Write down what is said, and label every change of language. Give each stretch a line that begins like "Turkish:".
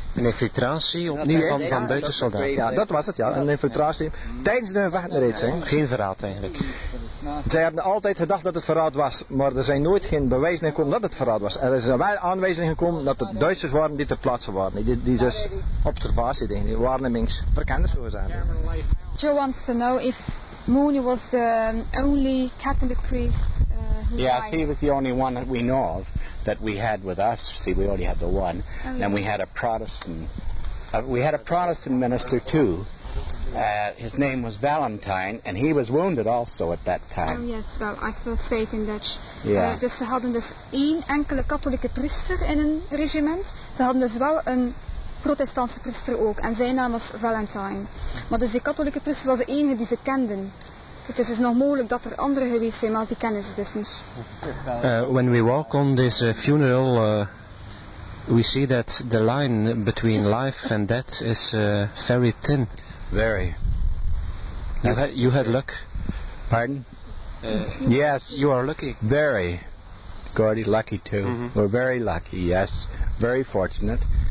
Dutch: Een infiltratie opnieuw van Duitse soldaten. Ja, dat was het, ja. Een infiltratie. Tijdens de gevechten reeds, hè. Geen verraad eigenlijk. Zij hebben altijd gedacht dat het verraad was, maar er zijn nooit geen bewijzen gekomen dat het verraad was. Er is wel aanwijzing gekomen dat het Duitsers waren die ter plaatse waren. Die dus observatie deden, die waarnemingsverkenners, zo gezegd.
English: Joe wants to know if Mooney was the only Catholic priest. Yes, he was the only one that we know of that we had with us. See, we already had the one. Oh, yeah. And we had a Protestant. We had a Protestant minister too. His name was Valentine, and he was wounded also at that time. Oh, yes, well, I first say it in Dutch. Yeah.
Dutch: Dus ze hadden dus één enkele katholieke priester in een regiment. Ze hadden dus wel een protestantse priester ook. En zijn naam was Valentine. Maar dus die katholieke priester was de enige die ze kenden. Het is dus nog mogelijk dat er anderen geweest zijn, maar die kennen ze dus niet.
English: When we walk on this funeral, we see that the line between life and death is very thin. Very. You had luck. Pardon? Yes. You are lucky. Very. Gordy, lucky too. Mm-hmm. We're very lucky, yes. Very fortunate.